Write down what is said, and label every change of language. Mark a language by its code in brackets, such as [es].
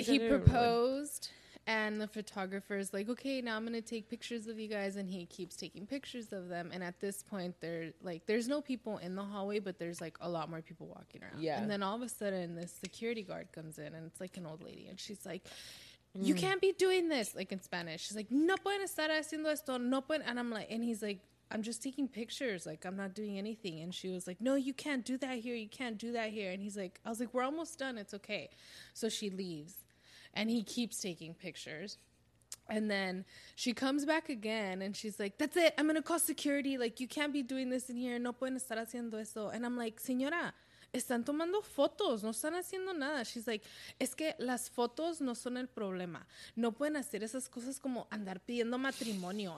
[en] He proposed, and the photographer's like, okay, now I'm going to take pictures of you guys. And he keeps taking pictures of them. And at this point, there's no people in the hallway, but there's, like, a lot more people walking around. Yeah. And then all of a sudden, this security guard comes in, and it's, like, an old lady. And she's like... You can't be doing this, like in Spanish. She's like, [es] no pueden estar haciendo esto, no pueden. [en] And I'm like, and he's like, I'm just taking pictures, like I'm not doing anything. And she was like, no, you can't do that here, you can't do that here. And he's like, I was like, we're almost done, it's okay. So she leaves and he keeps taking pictures. And then she comes back again and she's like, that's it, I'm gonna call security, like you can't be doing this in here, [es] no pueden estar haciendo eso. [en] And I'm like, [es] señora. Están tomando fotos, no están haciendo nada. [en] She's like, [es] es que las fotos no son el problema. No pueden hacer esas cosas como andar pidiendo matrimonio.